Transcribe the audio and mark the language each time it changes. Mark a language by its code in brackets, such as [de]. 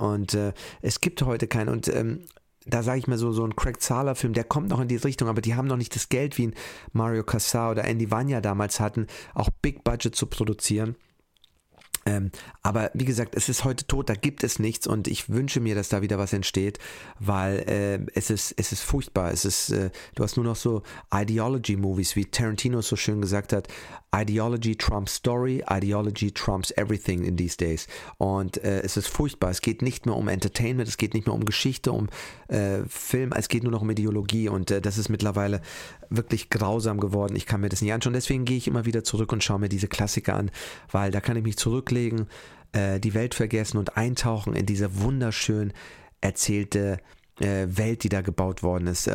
[de] Und es gibt heute keinen. Und da sage ich mal so ein Craig Zahler-Film, der kommt noch in die Richtung, aber die haben noch nicht das Geld, wie ein Mario Casar oder Andy Vanya damals hatten, auch Big Budget zu produzieren. Aber wie gesagt, es ist heute tot, da gibt es nichts und ich wünsche mir, dass da wieder was entsteht, weil es ist furchtbar. Es ist, du hast nur noch so Ideology-Movies, wie Tarantino so schön gesagt hat. [en] Ideology trumps story, ideology trumps everything in these days. [de] Und es ist furchtbar. Es geht nicht mehr um Entertainment, es geht nicht mehr um Geschichte, um Film, es geht nur noch um Ideologie und das ist mittlerweile wirklich grausam geworden. Ich kann mir das nicht anschauen. Deswegen gehe ich immer wieder zurück und schaue mir diese Klassiker an, weil da kann ich mich zurücklegen, die Welt vergessen und eintauchen in diese wunderschön erzählte Welt, die da gebaut worden ist.